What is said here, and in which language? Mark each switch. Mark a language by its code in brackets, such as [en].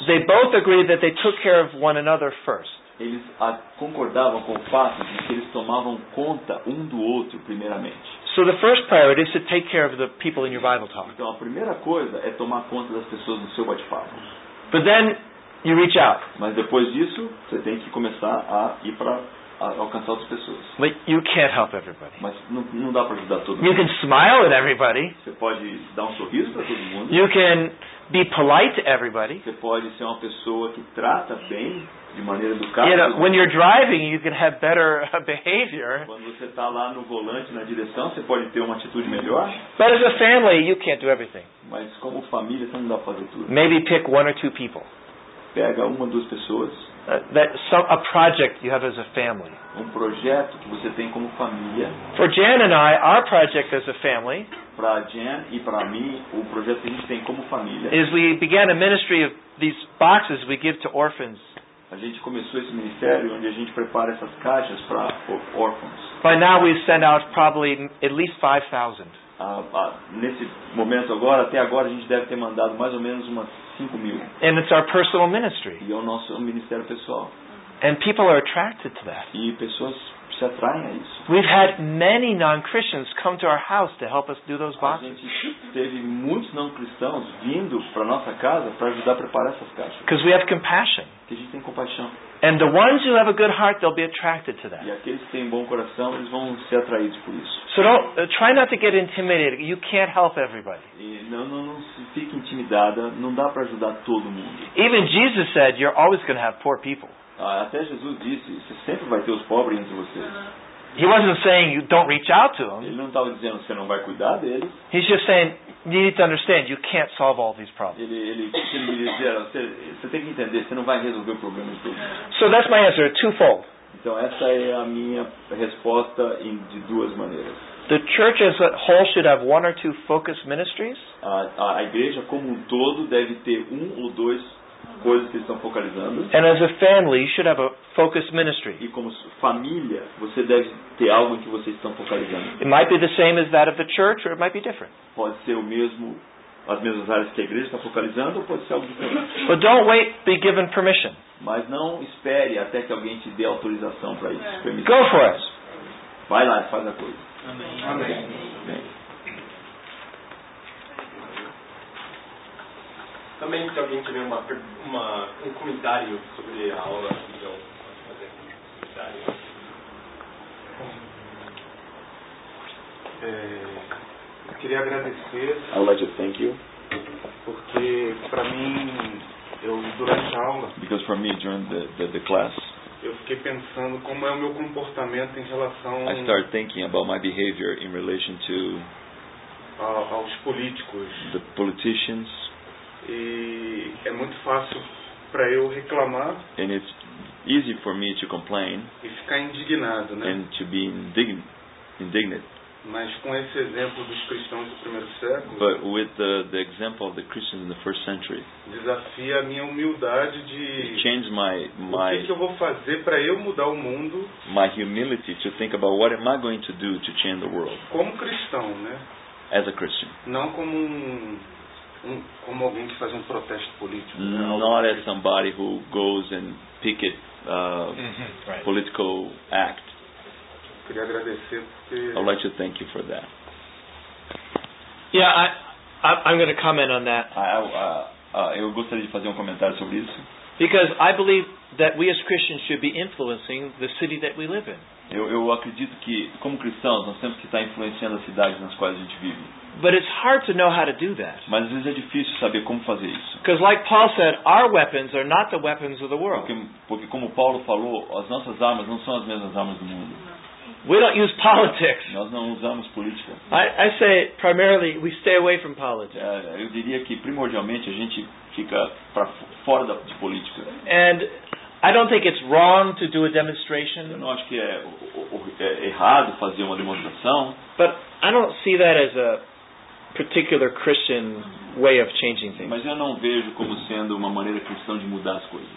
[en] they both agreed that they took care of one another first. [pt] Eles concordavam com o fato de que eles tomavam conta um do outro primeiramente. [en] So the first priority is to take care of the people in your Bible talk. [pt] Então a primeira coisa é tomar conta das pessoas no seu bate-papo. [en] But then you reach out. [pt] Mas depois disso, você tem que começar a ir para alcançar outras pessoas. [en] But you can't help everybody. [pt] Mas não dá para ajudar todo mundo. [en] You can smile at everybody. [pt] Você pode dar um sorriso para todo mundo. [en] You can be polite to everybody. [pt] Você pode ser uma pessoa que trata bem, de maneira educada. [en] You know, when you're driving, you can have better behavior. [pt] Quando você está lá no volante, na direção, você pode ter uma atitude melhor. [en] But as a family, you can't do everything. [pt] Mas como família, você não dá para fazer tudo. [en] Maybe pick one or two people. [pt] Pega uma ou duas pessoas. [en] A project you have as a family. [pt] Um projeto que você tem como família. [en] For Jan and I, our project as a family. [pt] Para Jan e para mim, o projeto que a gente tem como família. [en] Is we began a ministry of these boxes we give to orphans. [pt] A gente começou esse ministério onde a gente prepara essas caixas para órfãos. [en] By now we send out probably at least 5,000. [pt] Nesse momento agora, até agora a gente deve ter mandado mais ou menos umas 5,000. [en] And it's our personal ministry. [pt] E é o nosso ministério pessoal. [en] And people are attracted to that. [pt] E pessoas se atraem a isso. [en] We've had many non-Christians come to our house to help us do those boxes. [pt] A gente teve muitos não cristãos vindo para nossa casa para ajudar a preparar essas caixas. [en] Because we have compassion. [pt] Porque a gente tem compaixão. [en] And the ones who have a good heart, they'll be attracted to that. [pt] E aqueles que têm bom coração, eles vão ser atraídos por isso. [en] So don't try not to get intimidated. You can't help everybody. [pt] Não se fique intimidada. Não dá para ajudar todo mundo. [en] Even Jesus said, "You're always going to have poor people." [pt] Até Jesus disse, você sempre vai ter os pobres entre vocês. [en] He wasn't saying you don't reach out to them. [pt] Ele não estava dizendo que você não vai cuidar deles. [en] He's just saying you need to understand you can't solve all these problems. [pt] Ele queria dizer, você tem que entender, você não vai resolver o problema de todos. [en] So that's my answer, twofold. [pt] Então essa é a minha resposta de duas maneiras. [en] The church as a whole should have one or two focused ministries. [pt] A igreja como um todo deve ter um ou dois coisas que estão focalizando. [en] And as a family, you should have a focused ministry. [pt] E como família, você deve ter algo em que vocês estão focalizando. [en] It might be the same as that of the church, or it might be different. [pt] Pode ser o mesmo, as mesmas áreas que a igreja está focalizando, ou pode ser algo diferente. [en] But don't wait, be given permission. [pt] Mas não espere até que alguém te dê autorização para isso. Permissão. [en] Go for it. [pt] Vai lá, faz a coisa. Amém. Amém. Também se alguém tiver um comentário sobre a aula, então pode fazer um comentário. Queria agradecer. [en] I'd like to thank you. [pt] Porque para mim, eu durante a aula. [en] Because for me during the class. [pt] Eu fiquei pensando como é o meu comportamento em relação. [en] I start thinking about my behavior in relation to. [pt] Aos políticos. [en] The politicians. [pt] E é muito fácil para eu reclamar. [en] And it's easy for me to complain. [pt] E ficar indignado, né? [en] And to be indignant. [pt] Mas com esse exemplo dos cristãos do primeiro século. [en] But with the example of the Christians in the first century. [pt] Desafia a minha humildade de. [en] Change my. [pt] O que eu vou fazer para eu mudar o mundo? [en] My humility to think about what am I going to do to change the world. [pt] Como cristão, né? [en] As a Christian. [pt] Não como como alguém que faz um protesto político. [en] Not as somebody who goes and picket right. Political act. [pt] Queria agradecer porque. [en] I'd like to thank you for that. Yeah, I'm going to comment on that. [pt] Eu gostaria de fazer um comentário sobre isso. [en] Because I believe that we as Christians should be influencing the city that we live in. [pt] Eu acredito que como cristãos nós temos que estar influenciando as cidades nas quais a gente vive. [en] But it's hard to know how to do that. [pt] Mas às vezes é difícil saber como fazer isso. [en] Because like Paul said, our weapons are not the weapons of the world. [pt] Porque como Paulo falou, as nossas armas não são as mesmas armas do mundo. [en] We don't use politics. [pt] Nós não usamos política. [en] I say primarily we stay away from politics. [pt] Eu diria que primordialmente a gente fica fora de política. [en] And I don't think it's wrong to do a demonstration. [pt] Eu não acho que é errado fazer uma demonstração. [en] But I don't see that as a particular Christian way of changing things. [pt] Mas eu não vejo como sendo uma maneira cristã de mudar as coisas.